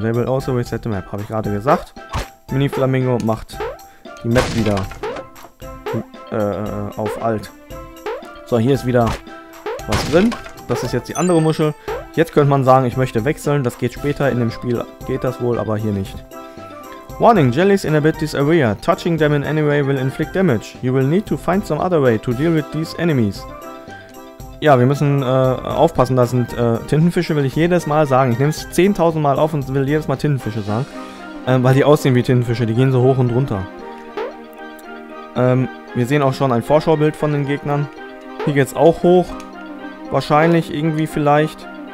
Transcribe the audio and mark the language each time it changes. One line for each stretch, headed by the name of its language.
English: They will also reset the map,
German: habe ich gerade gesagt. Mini flamingo macht die Map wieder auf alt. So, hier ist wieder was drin. Das ist jetzt die andere Muschel. Jetzt könnte man sagen, ich möchte wechseln. Das geht später in dem Spiel, geht das wohl, aber hier nicht.
English: Warning, jellies in a bit this area. Touching them in any way will inflict damage. You will need to find some other way to deal with these enemies.
German: Ja, wir müssen aufpassen, da sind Tintenfische, will ich jedes Mal sagen. Ich nehme es 10.000 Mal auf und will jedes Mal Tintenfische sagen. Weil die aussehen wie Tintenfische, die gehen so hoch und runter. Wir sehen auch schon ein Vorschaubild von den Gegnern. Hier geht's auch hoch. Wahrscheinlich, irgendwie vielleicht.